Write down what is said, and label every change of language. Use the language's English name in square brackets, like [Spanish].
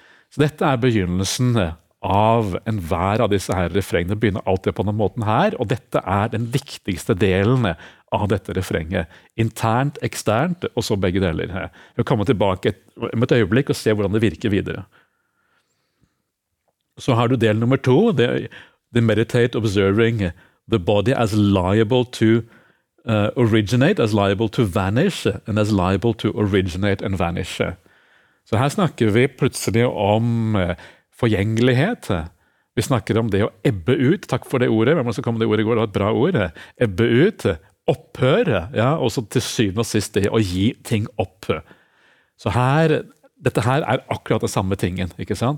[Norwegian] Så dette er begynnelsen av enhver av disse her refrengene, begynner alltid på denne måten her, og dette den viktigste delen av dette refrenget, internt, eksternt, og så begge deler her. Vi kommer tilbake et øyeblikk og ser hvordan det virker videre. Så har du del nummer to, [English] the meditate observing the body as liable to originate, as liable to vanish, and as liable to originate and vanish. [Norwegian] Så her snakker vi plutselig om forgjengelighet. Vi snakker om det å ebbe ut, takk for det ordet, hvem som kom med det ordet i går, det var et bra ord, ebbe ut, opphøre, ja, og så til syvende og sist det å gi ting opp. Så her, dette her er akkurat det samme tingen, ikke sant?